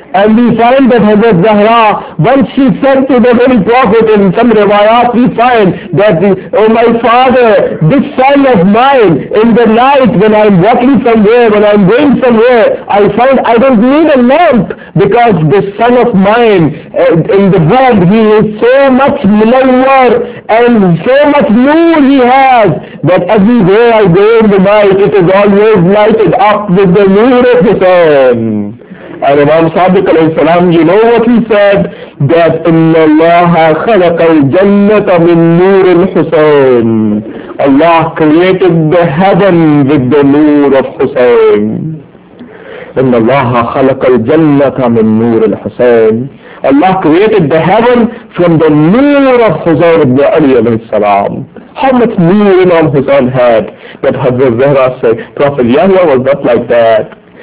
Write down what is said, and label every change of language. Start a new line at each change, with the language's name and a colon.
English: And we find that Hazrat Zahra, once she said to the very Prophet, in some rivayat we find that, oh my father, this son of mine, in the night when I'm walking somewhere, when I'm going somewhere, I find I don't need a lamp, because this son of mine, in the womb, he is so much munawwar and so much noor he has, that everywhere I go in the night, it is always lighted up with the noor of the sun. And Imam Sadiq alayhi salam, you know what he said?
Arabic: That إِنَّ اللَّهَ خَلَقَ الْجَنَّةَ مِنْ نُورِ الْحُسَيْنِ.
English: Allah created the heaven with the noor of Hussain.
Arabic: إِنَّ اللَّهَ خَلَقَ الْجَنَّةَ مِنْ نُورِ الْحُسَيْنِ.
English: Allah created the heaven from the noor of Hussain ibn Ali alayhi salam. How much noor Imam Hussain had, that Hazrat Zahra said, Prophet Yahya was not like that.